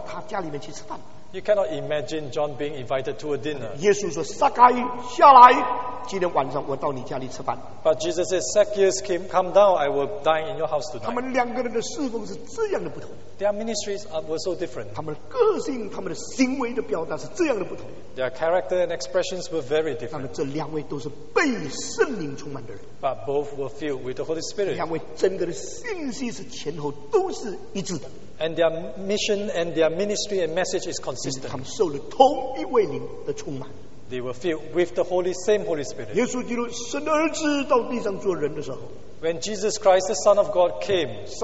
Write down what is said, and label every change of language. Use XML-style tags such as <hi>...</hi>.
<en>You cannot imagine John being invited to a dinner. But Jesus says, Zacchaeus, come down, I will dine in your house tonight. Their ministries were so different.</en> <zh>他们的个性，他们的行为的表达是这样的不同。</zh> <en>Their character and expressions were very different.</en> <zh>那么这两位都是被圣灵充满的人。</zh> <en>But both were filled with the Holy Spirit.</en> <zh>两位整个的信息是前后都是一致的。</zh> <en>And their mission and their ministry and message is consistent.</en> <zh>他们受了同一位灵的充满。</zh> <en>They were filled with the same Holy Spirit.</en> <zh>耶稣基督神的儿子到地上做人的时候。</zh> <en>When Jesus Christ, the Son of God, came,</en>